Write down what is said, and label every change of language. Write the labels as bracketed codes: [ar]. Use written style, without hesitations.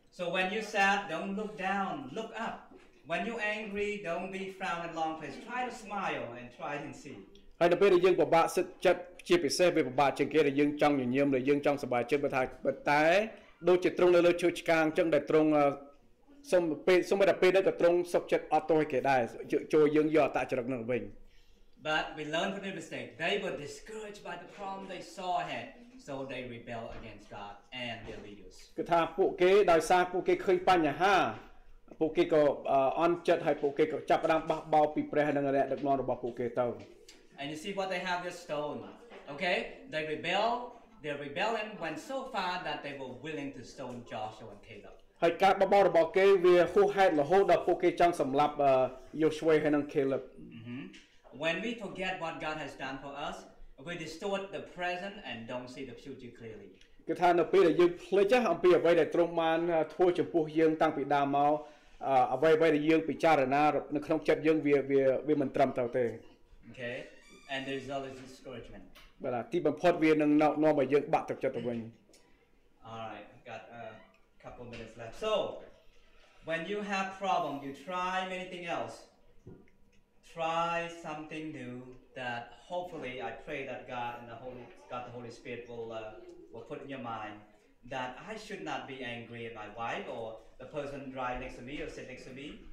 [en] So when you sad, don't look down, look up. When you angry, don't be frown and long face. Try to smile and try and see. [km] ហើយនៅពេលដែលយើងពិបាកសិតចិត្តជាពិសេសវាពិបាកជាងគេដែលយើងចង់ញញឹមដែលយើងចង់សប្បាយចិត្តបើថាបើតែដូចជាត្រង់នៅលើជួចឆ្កាងចឹងដែលត្រង់សុំពេលសុំតែពេលនេះក៏ត្រង់សុខចិត្តអត់ទាស់គេដែរចូលយើងយកអតចរិតនឹងវិញ. [en] But we learn from the mistake. They were discouraged by the problem they saw ahead, so they rebel against God and their leaders. [km] គឺថាពួកគេដោយសារពួកគេឃើញបញ្ហាពួកគេក៏អន់ចិត្តហើយពួកគេក៏ចាប់ផ្ដើមបះបោពីព្រះនិងអរិយដឹកនាំរបស់ពួកគេទៅ. [en] And you see what they have this stone. Okay, they rebel. Their rebellion went so far that they were willing to stone Joshua and Caleb. [km] ហើយការបបោររបស់គេវាហួសហេតុរហូតដល់ពួកគេចង់សម្លាប់យូស្វេហើយនិងកេឡិប. [en] When we forget what God has done for us, We distort the present and don't see the future clearly. [km] គេ ថា នៅ ពេល ដែល យើង ភ្លេច អំពី អ្វី ដែល ត្រង់ បាន ធ្វើ ចំពោះ យើង តាំង ពី ដើម មក អ្វី ដែល យើង ពិចារណា នៅ ក្នុង ចិត្ត យើង វា មិន ត្រឹម ត្រូវ ទេ [en] Okay, and there's always discouragement. But [km] ទី បំផុត វា នឹង នាំ ឲ្យ យើង បាក់ ទឹក ចិត្ត ទៅ វិញ [en] All right, got a couple minutes left. So, when you have problem, you try anything else. Try something new that hopefully I pray that God and the Holy Spirit will put in your mind that I should not be angry at my wife or the person driving next to me or sitting next to me.